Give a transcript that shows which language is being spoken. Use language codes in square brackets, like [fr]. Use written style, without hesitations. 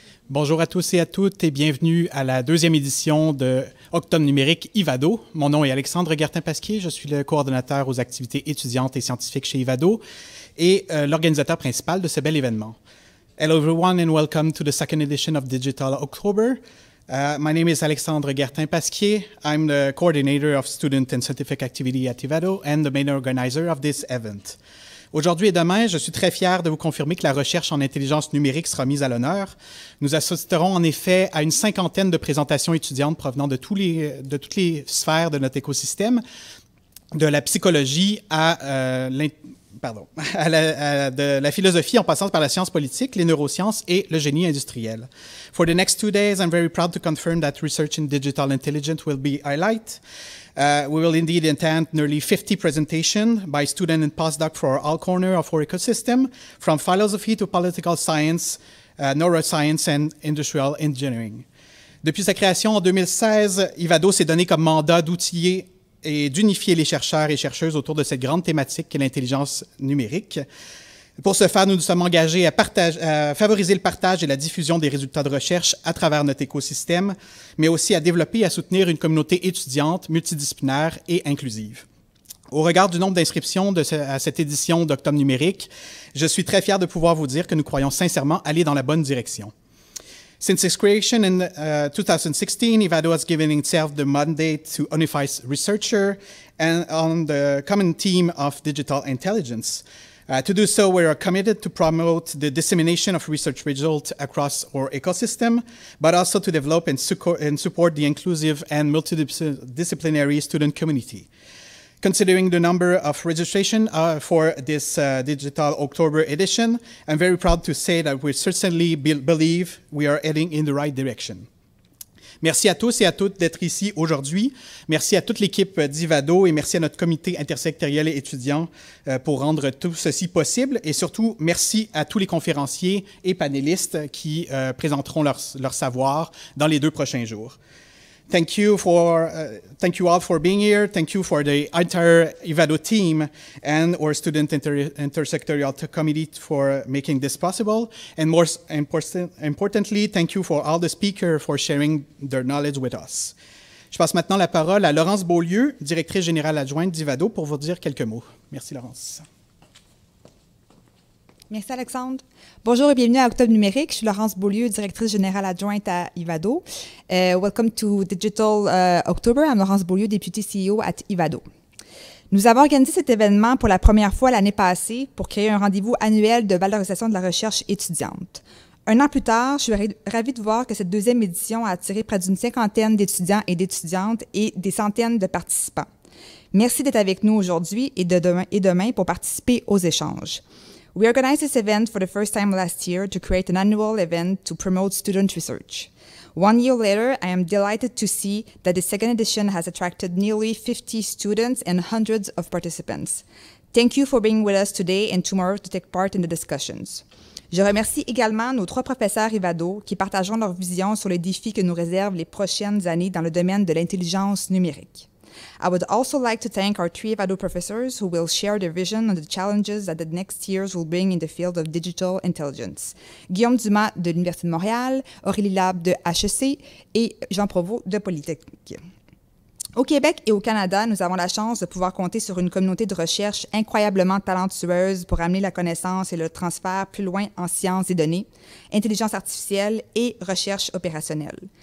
[fr] Bonjour à tous et à toutes et bienvenue à la deuxième édition de Octobre numérique Ivado. Mon nom est Alexandre Gertin-Pasquier, je suis le coordonnateur aux activités étudiantes et scientifiques chez Ivado et l'organisateur principal de ce bel événement. [en] Hello everyone and welcome to the second edition of Digital October. My name is Alexandre Gertin-Pasquier. I'm the coordinator of student and scientific activity at Ivado and the main organizer of this event. [fr] Aujourd'hui et demain, je suis très fier de vous confirmer que la recherche en intelligence numérique sera mise à l'honneur. Nous assisterons en effet à une cinquantaine de présentations étudiantes provenant de toutes les sphères de notre écosystème, de la psychologie de la philosophie en passant par la science politique, les neurosciences et le génie industriel. [en] For the next two days, I'm very proud to confirm that research in digital intelligence will be highlighted. We will indeed attend nearly 50 presentations by students and postdoc for all corners of our ecosystem, from philosophy to political science, neuroscience and industrial engineering. [fr] Depuis sa création en 2016, Ivado s'est donné comme mandat d'outiller et d'unifier les chercheurs et chercheuses autour de cette grande thématique qu'est l'intelligence numérique. Pour ce faire, nous nous sommes engagés à favoriser le partage et la diffusion des résultats de recherche à travers notre écosystème, mais aussi à développer et à soutenir une communauté étudiante, multidisciplinaire et inclusive. Au regard du nombre d'inscriptions à cette édition d'Octobre numérique, je suis très fier de pouvoir vous dire que nous croyons sincèrement aller dans la bonne direction. [en] Since its creation in 2016, Ivado has given itself the mandate to unify researchers and on the common theme of digital intelligence. To do so, we are committed to promote the dissemination of research results across our ecosystem, but also to develop and support the inclusive and multidisciplinary student community. Considering the number of registration for this Digital October edition, I'm very proud to say that we certainly believe we are heading in the right direction. [fr] Merci à tous et à toutes d'être ici aujourd'hui. Merci à toute l'équipe d'Ivado et merci à notre comité intersectoriel et étudiant pour rendre tout ceci possible. Et surtout, merci à tous les conférenciers et panélistes qui présenteront leur savoir dans les deux prochains jours. [en] Thank you all for being here. Thank you for the entire Ivado team and our student intersectorial committee for making this possible. And more importantly, thank you for all the speakers for sharing their knowledge with us. [fr] Je passe maintenant la parole à Laurence Beaulieu, directrice générale adjointe d'Ivado, pour vous dire quelques mots. Merci, Laurence. Merci Alexandre. Bonjour et bienvenue à Octobre numérique. Je suis Laurence Beaulieu, directrice générale adjointe à Ivado. [en] Welcome to Digital October. I'm Laurence Beaulieu, députée CEO at Ivado. [fr] Nous avons organisé cet événement pour la première fois l'année passée pour créer un rendez-vous annuel de valorisation de la recherche étudiante. Un an plus tard, je suis ravie de voir que cette deuxième édition a attiré près d'une cinquantaine d'étudiants et d'étudiantes et des centaines de participants. Merci d'être avec nous aujourd'hui et demain pour participer aux échanges. [en] We organized this event for the first time last year to create an annual event to promote student research. One year later, I am delighted to see that the second edition has attracted nearly 50 students and hundreds of participants. Thank you for being with us today and tomorrow to take part in the discussions. [fr] Je remercie également nos trois professeurs Ivado qui partageront leur vision sur les défis que nous réservent les prochaines années dans le domaine de l'intelligence numérique. [en] I would also like to thank our three Ivado professors who will share their vision on the challenges that the next years will bring in the field of digital intelligence. [fr] Guillaume Dumas de l'Université de Montréal, Aurélie Lab de HEC et Jean Provost de Polytechnique. Au Québec et au Canada, nous avons la chance de pouvoir compter sur une communauté de recherche incroyablement talentueuse pour amener la connaissance et le transfert plus loin en sciences et données, intelligence artificielle et recherche opérationnelle.